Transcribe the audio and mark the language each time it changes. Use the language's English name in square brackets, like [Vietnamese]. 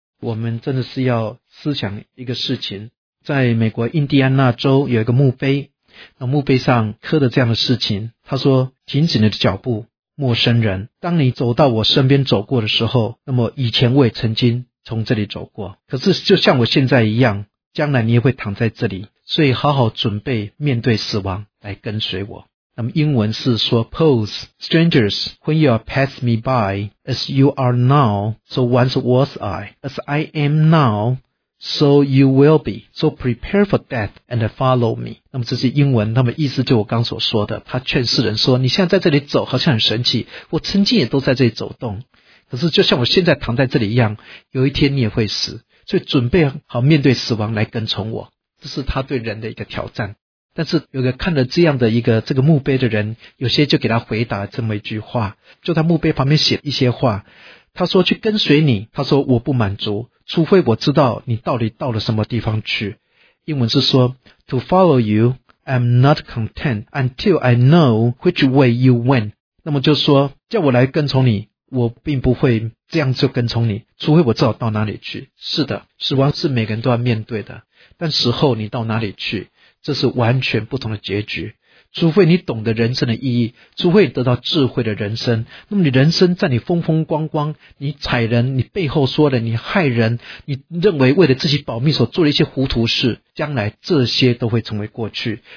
[Chinese] 我们真的是要思想一个事情，在美国印第安纳州有一个墓碑，那墓碑上刻的这样的事情，他说，停止你的脚步，陌生人，当你走到我身边走过的时候，那么以前我也曾经从这里走过，可是就像我现在一样，将来你也会躺在这里，所以好好准备面对死亡来跟随我。那么英文是说， [English] Pause, strangers, when you are pass me by, as you are now, so once was I, as I am now, so you will be, so prepare for death and follow me. [Chinese] 那么这是英文，那么意思就我刚所说的，他劝世人说，你现在在这里走好像很神奇，我曾经也都在这里走动，可是就像我现在躺在这里一样，有一天你也会死，所以准备好面对死亡来跟从我。这是他对人的一个挑战。但是有个看了这样的一个这个墓碑的人，有些就给他回答这么一句话，就他墓碑旁边写一些话，他说，去跟随你，他说我不满足，除非我知道你到底到了什么地方去。英文是说， [English] To follow you, I'm not content until I know which way you went. [Chinese] 那么就说，叫我来跟从你，我并不会这样就跟从你，除非我知道到哪里去。是的，死亡是每个人都要面对的，但死后你到哪里去，这是完全不同的结局。除非你懂得人生的意义，除非你得到智慧的人生，那么你人生在你风风光光，你踩人，你背后说的，你害人，你认为为了自己保密所做的一些糊涂事，将来这些都会成为过去。